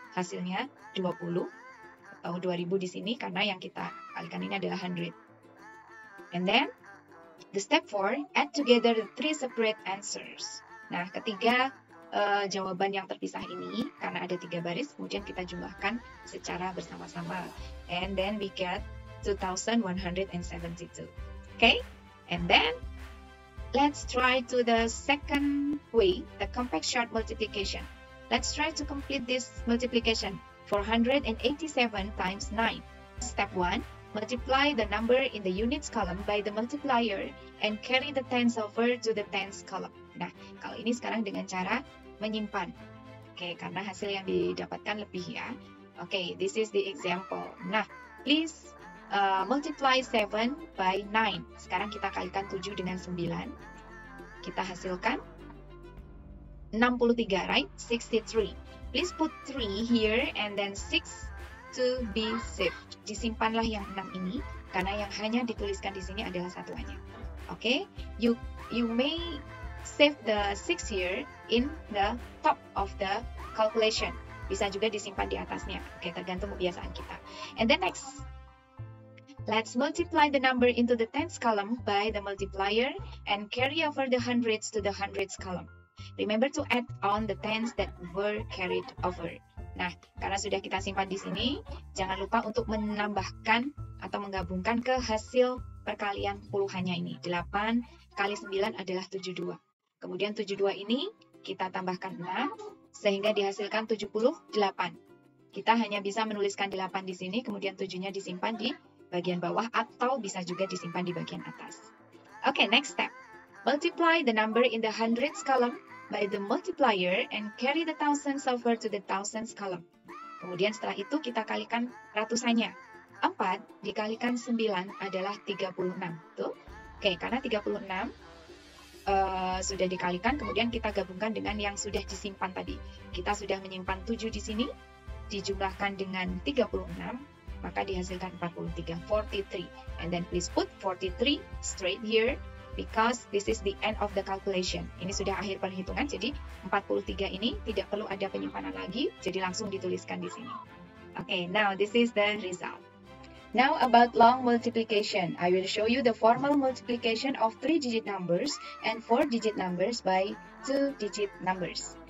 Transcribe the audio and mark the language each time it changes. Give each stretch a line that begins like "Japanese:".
Indonesian: Hasilnya 20 atau 2000 di sini karena yang kita kalikan ini adalah 100.
English: And then the step 4, add together the 3 separate answers.
Indonesian: Nah, ketiga jawaban yang terpisah ini karena ada 3 baris, kemudian kita jumlahkan secara bersama-sama.
English: And then we get 2172. Okay? And then let's try to the second way, the compact short multiplication. Let's try to complete this multiplication. 487 times 9. Step 1, multiply the number in the units column by the multiplier and carry the tens over to the tens column.
Indonesian: Nah, kalau ini sekarang dengan cara menyimpan. Oke, karena hasil yang didapatkan lebih ya.
English: Oke, this is the example. Nah, please multiply 7 by 9.
Indonesian: Sekarang kita kalikan 7 dengan 9. Kita hasilkan 63, right? 63.
English: Please put 3 here and then 6 to be safe.
Indonesian: Disimpanlah yang 6 ini karena yang hanya dituliskan di sini adalah satuannya. Oke, okay?
English: You may save the 6 here in the top of the calculation.
Indonesian: Bisa juga disimpan di atasnya.
English: Oke, okay,
Indonesian: tergantung kebiasaan kita.
English: And then next, let's multiply the number into the tens column by the multiplier and carry over the hundreds to the hundreds column. Remember to add on the tens that were carried over.
Indonesian: Nah, karena sudah kita simpan di sini, jangan lupa untuk menambahkan atau menggabungkan ke hasil perkalian puluhannya ini. 8 kali 9 adalah 72. Kemudian 72 ini kita tambahkan 6 sehingga dihasilkan 78. Kita hanya bisa menuliskan 8 di sini, kemudian 7-nya disimpan di bagian bawah atau bisa juga disimpan di bagian atas.
English: Oke, okay, next step. Multiply the number in the hundreds column by the multiplier and carry the thousands over to the thousands column.
Indonesian: Kemudian setelah itu kita kalikan ratusannya. 4 dikalikan 9 adalah 36. Tuh. Oke, okay, karena 36 sudah dikalikan, kemudian kita gabungkan dengan yang sudah disimpan tadi. Kita sudah menyimpan 7 di sini, dijumlahkan dengan 36, maka dihasilkan 43.
English: 43. And then please put 43 straight here. Because this is the end of the calculation.
Indonesian: Ini sudah akhir perhitungan, jadi 43 ini tidak perlu ada penyimpanan lagi, jadi langsung dituliskan di sini.
English: Okay, now this is the result. Now about long multiplication. I will show you the formal multiplication of 3-digit numbers and 4-digit numbers by 2-digit numbers.